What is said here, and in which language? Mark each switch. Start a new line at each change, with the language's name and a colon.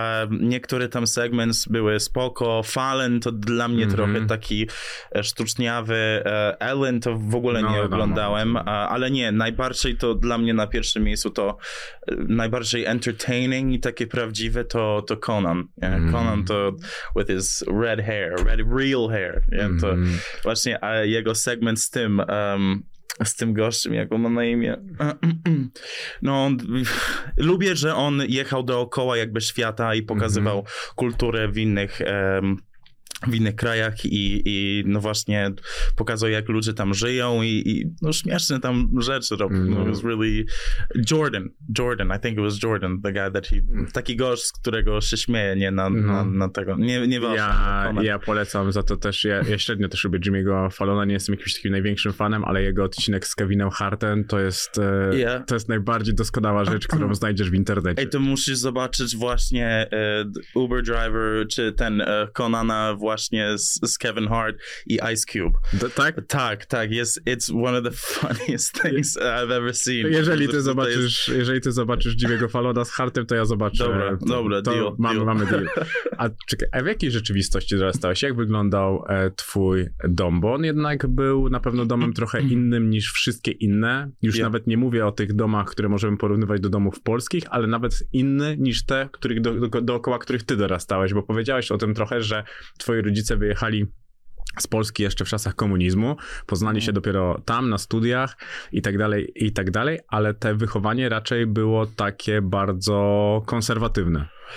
Polish: Niektóre tam segments były spoko. Fallon to dla mnie trochę taki sztuczniawy. Ellen to w ogóle nie oglądałem. Ale nie, najbardziej to dla mnie na pierwszym miejscu to najbardziej entertaining i takie prawdziwe to Conan.
English: Conan to with his red hair, red real hair.
Polish: To właśnie jego segment z tym... z tym gościem, jak on ma na imię. No, on, lubię, że on jechał dookoła jakby świata i pokazywał kulturę w innych krajach i no właśnie pokazał, jak ludzie tam żyją i no śmieszne tam rzeczy robił.
English: No, it was really... Jordan, I think it was Jordan, the guy that he...
Polish: Taki gość, z którego się śmieje, nie na, na tego... Nie ważne, ja polecam za to też, ja średnio też lubię Jimmy'ego Fallona, nie jestem jakimś takim największym fanem, ale jego odcinek z Kevinem Hartem to jest najbardziej doskonała rzecz, którą znajdziesz w internecie. Ej, to musisz zobaczyć właśnie Uber Driver czy ten Conana właśnie z Kevin Hart i Ice Cube. Tak,
English: yes, it's one of the funniest things I've ever seen.
Polish: Jeżeli ty zobaczysz, Jimmy'ego Fallona z Hartem, to ja zobaczę. Dobra, to deal. Mamy deal. A czekaj, a w jakiej rzeczywistości dorastałeś? Jak wyglądał twój dom? Bo on jednak był na pewno domem trochę innym niż wszystkie inne. Już nawet nie mówię o tych domach, które możemy porównywać do domów polskich, ale nawet inny niż te, których dookoła których ty dorastałeś, bo powiedziałeś o tym trochę, że twoi rodzice wyjechali z Polski jeszcze w czasach komunizmu, poznali się dopiero tam, na studiach i tak dalej, ale te wychowanie raczej było takie bardzo konserwatywne.